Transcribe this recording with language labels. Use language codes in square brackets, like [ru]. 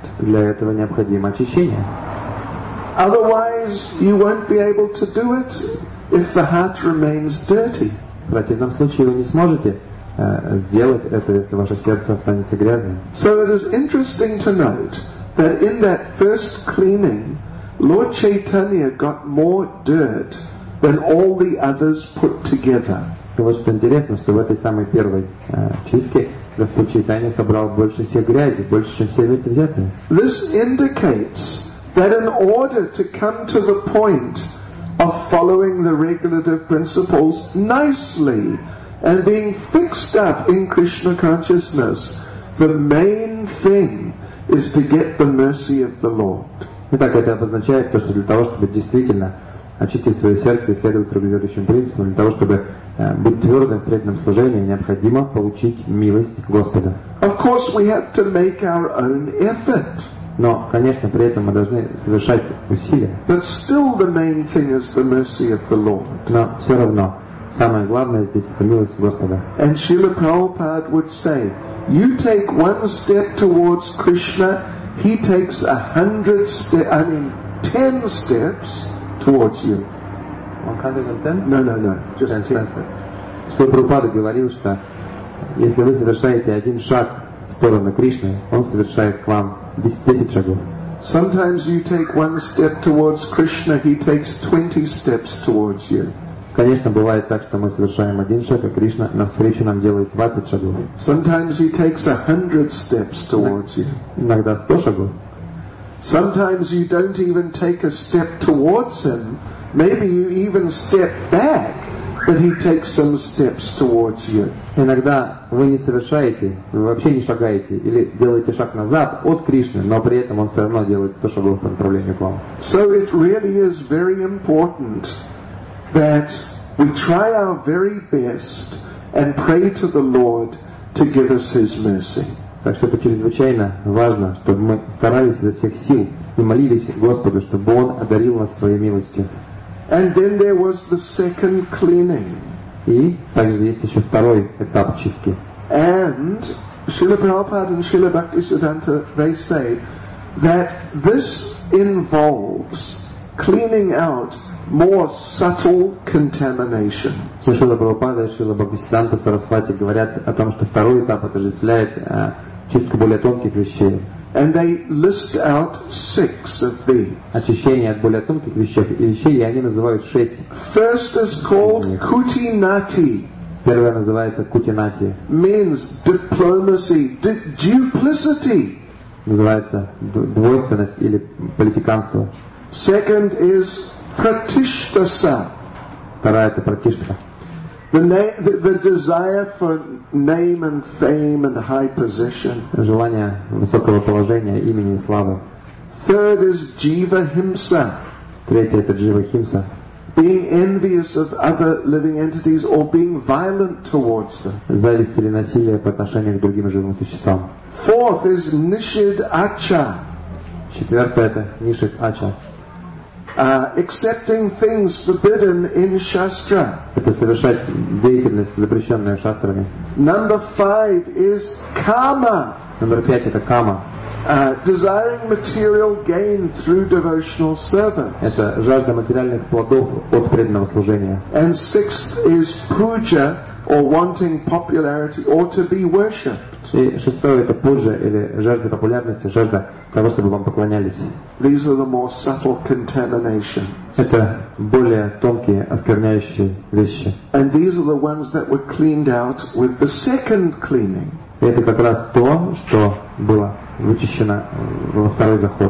[ru] Для этого необходимо очищение. [en] Otherwise, you won't be able to do it if the heart remains dirty. [ru] В противном случае вы не сможете сделать это, если ваше сердце останется грязным. [en] So it is interesting to note that in that first cleaning, Lord Chaitanya got more dirt than all the others put together. [ru] И вот что интересно, что в этой самой первой чистке Господь Чайтанья собрал больше всех грязи, больше, чем все вместе взятые. [en] This indicates that in order to come to the point of following the regulative principles nicely and being fixed up in Krishna consciousness, the main thing is to get the mercy of the Lord. [ru] Итак, это обозначает то, что для того, чтобы действительно очистить свое сердце и следовать регулирующим принципам, для того, чтобы быть твердым в преданном служении, необходимо получить милость Господа. [en] Of course, we have to make our own effort. [ru] Но, конечно, при этом мы должны совершать усилия. [en] But still the main thing is the mercy of the Lord. [ru] Но все равно, самое главное здесь – это милость Господа. [en] And Srila Prabhupada would say, you take one step towards Krishna, he takes 100 steps, I mean, 10 steps towards you. 110? No. [ru] Srila Prabhupada говорил, что если вы совершаете один шаг в сторону Кришны, он совершает к вам 10 шагов. [en] Sometimes you take one step towards Krishna, he takes 20 steps towards you. [ru] Конечно, бывает так, что мы совершаем один шаг, а Кришна навстречу нам делает 20 шагов. [en] Sometimes he takes 100 steps towards you. [ru] Иногда 100 шагов. [en] Sometimes you don't even take a step towards him. Maybe you even step back, but he takes some steps towards you. [ru] Иногда вы не совершаете, вы вообще не шагаете, или делаете шаг назад от Кришны, но при этом он все равно делает 100 шагов по направлению к вам. [en] So it really is very important that we try our very best and pray to the Lord to give us His mercy. [ru] Так что это чрезвычайно важно, чтобы мы старались изо всех сил и молились Господу, чтобы Он одарил нас своей милостью. [en] And then there was the second cleaning. [ru] И также есть еще второй этап чистки. [en] And Srila Prabhupada and Srila Bhaktisiddhanta, they say that this involves cleaning out more subtle contamination. [ru] Srila Prabhupada и Srila Bhaktisiddhanta Sarasvati говорят о том, что второй этап отождествляет чистку более тонких вещей. [en] And they list out six of these. [ru] Очищение от более тонких вещей, и они называют шесть. [en] First is called kutinati. [ru] Первое называется кутинати. [en] Means diplomacy, duplicity. [ru] Называется двойственность или политиканство. [en] Second is pratishtasa. [ru] Вторая это пратишта. [en] The desire for name and fame and high position. [ru] Желание высокого положения, имени и славы. [en] Third is jiva himsa. [ru] Третье это jiva himsa. [en] Being envious of other living entities or being violent towards them. [ru] Зависть или насилие по отношению к другим живым существам. [en] Fourth is nishid acha. [ru] Четвертое это nishid acha. [en] Accepting things forbidden in shastra. [ru] Это совершать деятельность, запрещенную шастрами. [en] Number five is kama. [ru] Номер пять это кама. [en] Desiring material gain through devotional service. [ru] Это жажда материальных плодов от преданного служения. [en] And sixth is puja, or wanting popularity, or to be worshipped. [ru] И шестое это пуджа или жажда популярности, жажда того, чтобы вам поклонялись. [en] These are the more subtle contaminations. [ru] Это более тонкие оскверняющие вещи. [en] And these are the ones that were cleaned out with the second cleaning. [ru] Это как раз то, что было вычищено во второй заход.